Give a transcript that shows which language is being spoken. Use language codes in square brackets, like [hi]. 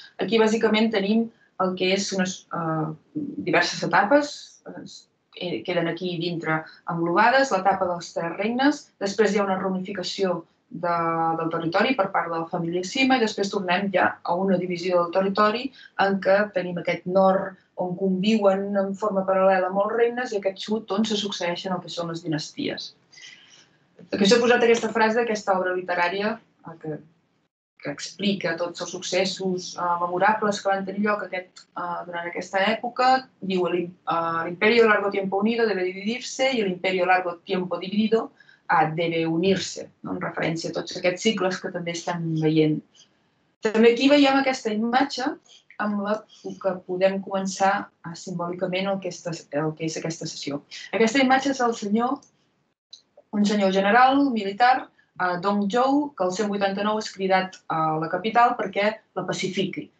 [ca] Aquí bàsicament tenim el que és unes diverses etapes, queden aquí dintre englobades, l'etapa dels tres regnes, després hi ha una reunificació del territori per part de la família Sima i després tornem ja a una divisió del territori en què tenim aquest nord on conviuen en forma paral·lela molts regnes i aquest sud on se succeeixen el que són les dinasties. Aquí s'ha posat aquesta frase d'aquesta obra literària que explica tots els successos memorables que van tenir lloc durant aquesta època. [es] Diu l'imperio a largo tiempo unido debe dividirse y el imperio a largo tiempo dividido debe unirse, no? [ca] En referència a tots aquests cicles que també estan veient. També aquí veiem aquesta imatge amb la que podem començar simbòlicament el que és aquesta sessió. Aquesta imatge és un senyor general, militar, Dong Zhou, que el 189 és cridat a la capital perquè la pacifiqui.